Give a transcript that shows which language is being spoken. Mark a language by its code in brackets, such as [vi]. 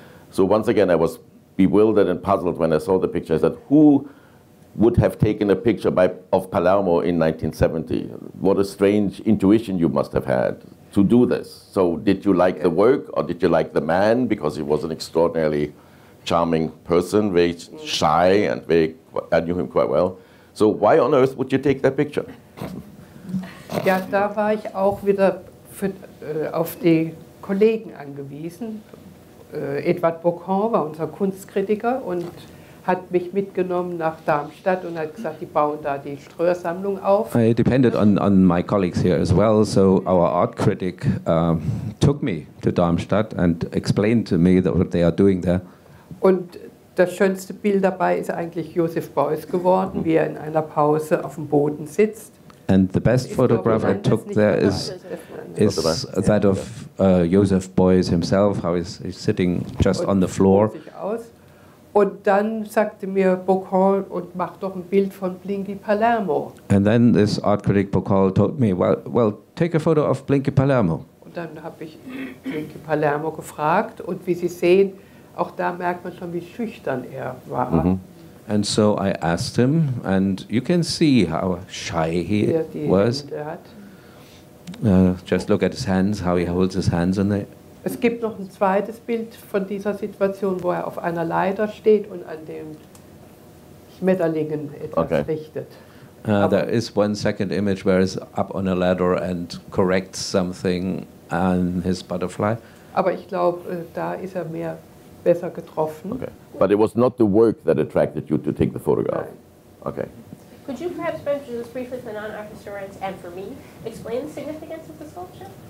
[en] So once again, I was bewildered and puzzled when I saw the picture. I said, who would have taken a picture of Palermo in 1970. What a strange intuition you must have had to do this. So did you like the work or did you like the man? Because he was an extraordinarily charming person, very shy and very, I knew him quite well. So why on earth would you take that picture? [de] Ja, da war ich auch wieder auf die Kollegen angewiesen. Edward Bocan war unser Kunstkritiker und hat mich mitgenommen nach Darmstadt und hat gesagt, die bauen da die Ströer-Sammlung auf. [en] It depended on my colleagues here as well. So our art critic took me to Darmstadt and explained to me what they are doing there. [de] Und das schönste Bild dabei ist eigentlich Joseph Beuys geworden, wie er in einer Pause auf dem Boden sitzt. [en] And the best photograph I took there is that of Joseph Beuys himself, how he's sitting just on the floor. [de] Und dann sagte mir Bocall, und mach doch ein Bild von Blinky Palermo. [en] And then this art critic Bocall told me, well, take a photo of Blinky Palermo. [de] Und dann habe ich Blinky Palermo gefragt, und wie Sie sehen, auch da merkt man schon, wie schüchtern er war. Mm-hmm. [en] And so I asked him, and you can see how shy he was. Just look at his hands, how he holds his hands in the. [de] Es gibt noch ein zweites Bild von dieser Situation, wo er auf einer Leiter steht und an den Schmetterlingen etwas richtet. [en] There is one second image where he's up on a ladder and corrects something on his butterfly. [de] Aber ich glaube, da ist er mehr besser getroffen. [en] Okay. But it was not the work that attracted you to take the photograph. Right. Okay. Could you perhaps, Benjamin, just briefly for the non-art historians and for me, explain the significance of the sculpture?